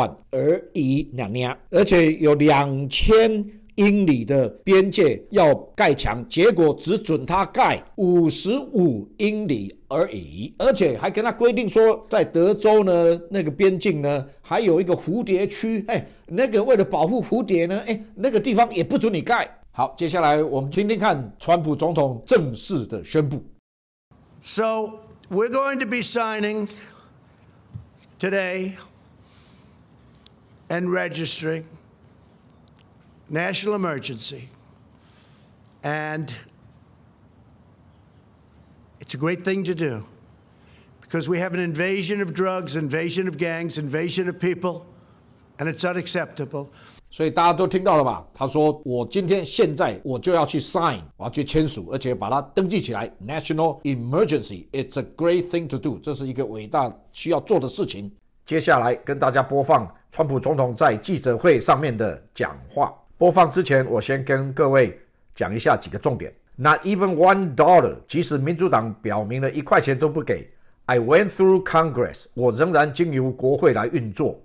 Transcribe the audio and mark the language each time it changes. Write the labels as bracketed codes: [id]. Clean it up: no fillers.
[zh] 而已，娘娘，而且有2000英里的边界要盖墙，结果只准他盖55英里而已，而且还跟他规定说，在德州呢那个边境呢还有一个蝴蝶区，哎，那个为了保护蝴蝶呢，哎，那个地方也不准你盖。好，接下来我们听听看川普总统正式的宣布。 [en] So we're going to be signing today and registering. National emergency, and it's a great thing to do because we have an invasion of drugs, invasion of gangs, invasion of people, and it's unacceptable. [zh] 所以大家都听到了吧？他说：“我今天现在我就要去 sign， 我要去签署，而且把它登记起来。 [en] National emergency, it's a great thing to do. [zh] 这是一个伟大需要做的事情。” 接下来跟大家播放川普总统在记者会上面的讲话。播放之前，我先跟各位讲一下几个重点。 [en] Not even $1, [zh] 即使民主党表明了一块钱都不给。 [en] I went through Congress, [zh] 我仍然经由国会来运作。